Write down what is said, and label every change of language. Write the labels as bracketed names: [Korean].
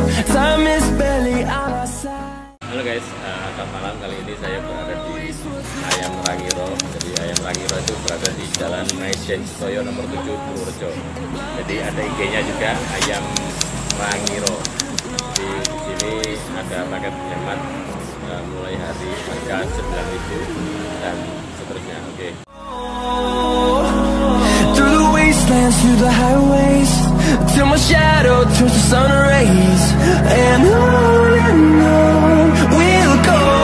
[English] Time is barely on our side. [Indonesian] Halo guys, selamat malam. Kali ini saya berada di Ayam Rangiro. Jadi Ayam Rangiro itu berada di Jalan Maisen Soyo nomor 7 Purworejo. Jadi ada IG-nya juga Ayam Rangiro. Di sini ada paket hemat mulai hari harga 9.000 dan seterusnya. Oke. [English] Through the wastelands, through the highways, till my shadow turns to sun rays, and on and on we'll go.